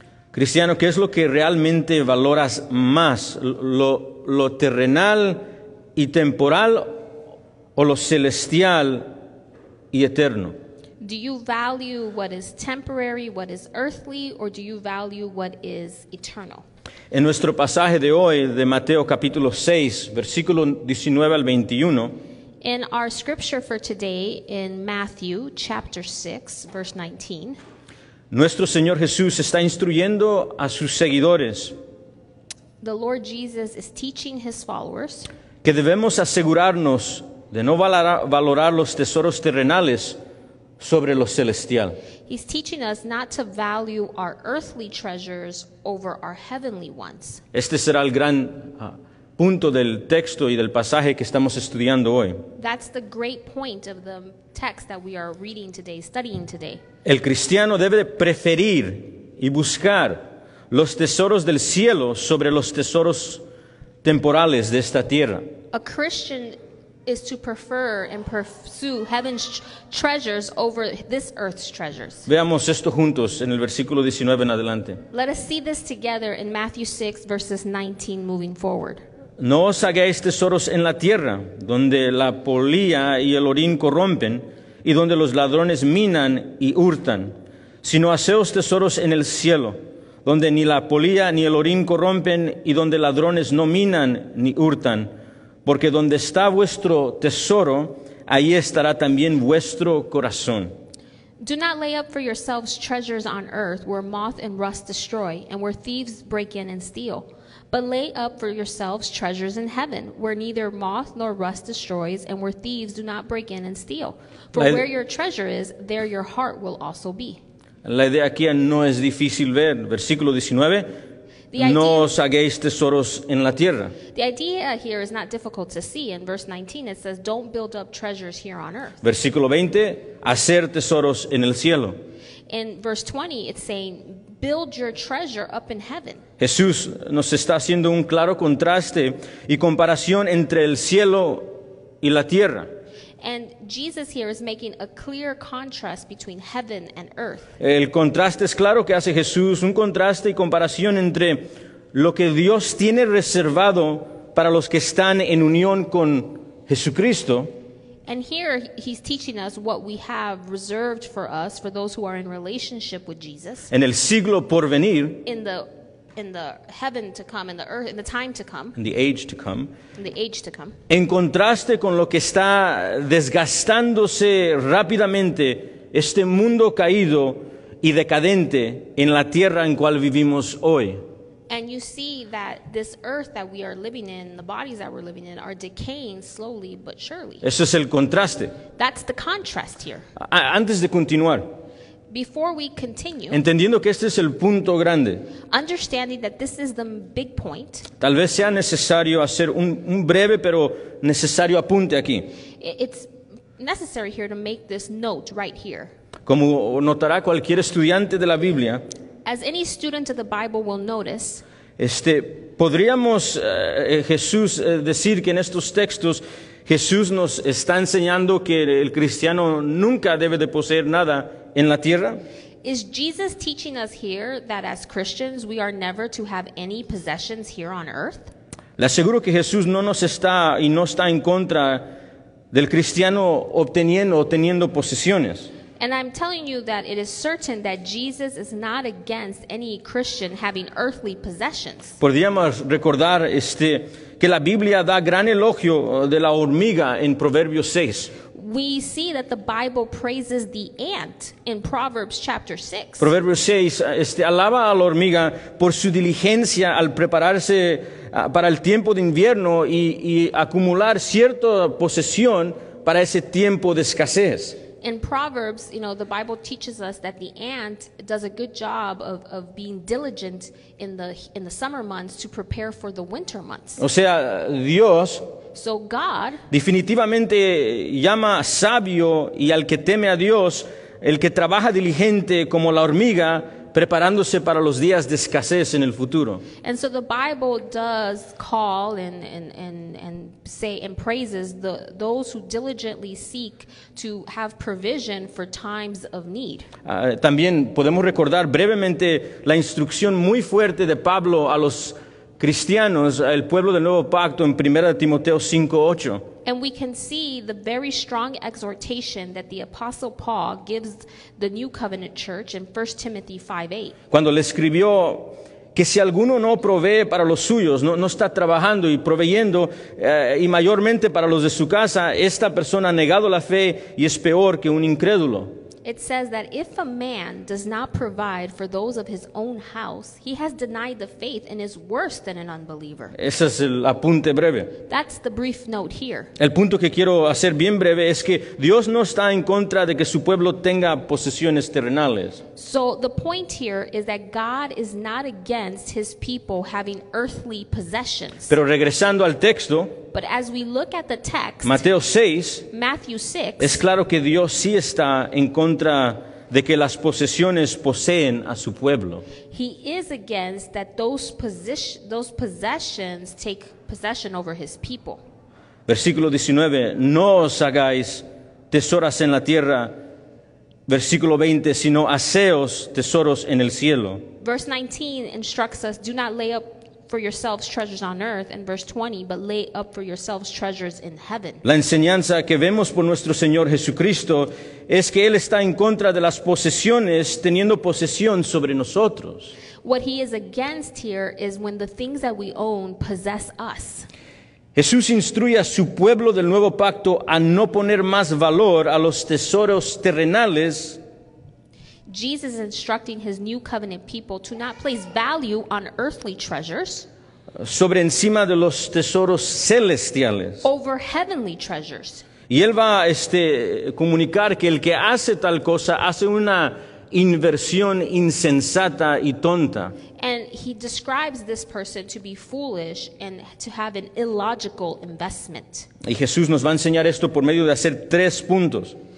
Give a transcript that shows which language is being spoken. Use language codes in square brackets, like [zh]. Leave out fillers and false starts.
[es] Cristiano, ¿qué es lo que realmente valoras más, lo terrenal y temporal o lo celestial y eterno? [en] Do you value what is temporary, what is earthly, or do you value what is eternal? [es] En nuestro pasaje de hoy, de Mateo capítulo 6, versículo 19 al 21, [en] In our scripture for today, in Matthew chapter 6, verse 19, [es] nuestro Señor Jesús está instruyendo a sus seguidores [en] the Lord Jesus is teaching his followers [es] que debemos asegurarnos de no valorar los tesoros terrenales sobre lo celestial. [en] He's teaching us not to value our earthly treasures over our heavenly ones. [es] Este será el gran punto del texto y del pasaje que estamos estudiando hoy. [en] That's the great point of the text that we are reading today, studying today. [es] El cristiano debe preferir y buscar los tesoros del cielo sobre los tesoros temporales de esta tierra. [en] A Christian is to prefer and pursue heaven's treasures over this earth's treasures. [es] Veamos esto juntos en el versículo 19 en adelante. [en] Let us see this together in Matthew 6, verses 19, moving forward. [es] No os hagáis tesoros en la tierra, donde la polilla y el orín corrompen, y donde los ladrones minan y hurtan, sino haceos tesoros en el cielo, donde ni la polilla ni el orín corrompen, y donde ladrones no minan ni hurtan. Porque donde está vuestro tesoro, ahí estará también vuestro corazón. [en] Do not lay up for yourselves treasures on earth, where moth and rust destroy, and where thieves break in and steal. But lay up for yourselves treasures in heaven, where neither moth nor rust destroys, and where thieves do not break in and steal. For where your treasure is, there your heart will also be. [es] La idea aquí no es difícil ver. Versículo 19. No os hagáis tesoros en la tierra. [en] The idea here is not difficult to see. In verse 19, it says, don't build up treasures here on earth. [es] Versículo 20, hacer tesoros en el cielo. [en] In verse 20, it's saying, build your treasure up in heaven. [es] Jesús nos está haciendo un claro contraste y comparación entre el cielo y la tierra. [en] And Jesus here is making a clear contrast between heaven and earth. [es] El contraste es claro que hace Jesús, un contraste y comparación entre lo que Dios tiene reservado para los que están en unión con Jesucristo. [en] And here he's teaching us what we have reserved for us, for those who are in relationship with Jesus. [es] En el siglo por venir. [en] In the heaven to come, in the earth, in the time to come, in the age to come, in the age to come, [es] en contraste con lo que está desgastándose rápidamente este mundo caído y decadente en la tierra en cual vivimos hoy. [en] And you see that this earth that we are living in, the bodies that we're living in, are decaying slowly but surely. [es] Eso es el contraste. [en] That's the contrast here. [es] Antes de continuar. [en] Before we continue, [es] entendiendo que este es el punto grande, [en] understanding that this is the big point, [es] tal vez sea necesario hacer un breve pero necesario apunte aquí. [en] It's necessary here to make this note right here. [es] Como notará cualquier estudiante de la Biblia, [en] as any student of the Bible will notice, [es] podríamos Jesús decir que en estos textos Jesús nos está enseñando que el cristiano nunca debe de poseer nada en la tierra. [en] Is Jesus teaching us here that as Christians we are never to have any possessions here on earth? [es] Le aseguro que Jesús no nos está y no está en contra del cristiano obteniendo o teniendo posesiones. [en] And I'm telling you that it is certain that Jesus is not against any Christian having earthly possessions. [es] Podríamos recordar que la Biblia da gran elogio de la hormiga en Proverbios 6. [en] We see that the Bible praises the ant in Proverbs chapter 6. [es] Proverbios 6 alaba a la hormiga por su diligencia al prepararse para el tiempo de invierno y acumular cierta posesión para ese tiempo de escasez. [en] In Proverbs, you know, the Bible teaches us that the ant does a good job of being diligent in the summer months to prepare for the winter months. [es] O sea, Dios, [en] so God, [es] definitivamente llama sabio y al que teme a Dios, el que trabaja diligente como la hormiga, preparándose para los días de escasez en el futuro. [en] And so the Bible does call and say and praises those who diligently seek to have provision for times of need. [es] También podemos recordar brevemente la instrucción muy fuerte de Pablo a los cristianos, al pueblo del nuevo pacto, en 1 Timoteo 5:8. [en] And we can see the very strong exhortation that the Apostle Paul gives the New Covenant Church in 1 Timothy 5:8. [es] Cuando le escribió que si alguno no provee para los suyos, no está trabajando y proveyendo, y mayormente para los de su casa, esta persona ha negado la fe y es peor que un incrédulo. [en] It says that if a man does not provide for those of his own house, he has denied the faith and is worse than an unbeliever. [es] Ese es el apunte breve. [en] That's the brief note here. [es] El punto que quiero hacer bien breve es que Dios no está en contra de que su pueblo tenga posesiones terrenales. [en] So the point here is that God is not against his people having earthly possessions. [es] Pero regresando al texto, [en] but as we look at the text, [es] Mateo 6, [en] Matthew 6, [es] es claro que Dios sí está en contra de que las posesiones poseen a su pueblo. [en] He is against that those possessions take possession over his people. [es] Versículo 19, no os hagáis tesoras en la tierra. Versículo 20, sino haceos tesoros en el cielo. [en] Verse 19 instructs us, do not lay up for yourselves treasures on earth, and verse 20, but lay up for yourselves treasures in heaven. [es] La enseñanza que vemos por nuestro Señor Jesucristo es que Él está en contra de las posesiones teniendo posesión sobre nosotros. [en] What He is against here is when the things that we own possess us. [es] Jesús instruye a su pueblo del nuevo pacto a no poner más valor a los tesoros terrenales. [en] Jesus is instructing his new covenant people to not place value on earthly treasures [es] sobre encima de los tesoros celestiales, [en] over heavenly treasures. [es] Y él va comunicar que el que hace tal cosa hace una inversión insensata y tonta. [en] And he describes this person to be foolish and to have an illogical investment. [es] Y Jesús nos va a enseñar esto por medio de hacer tres puntos.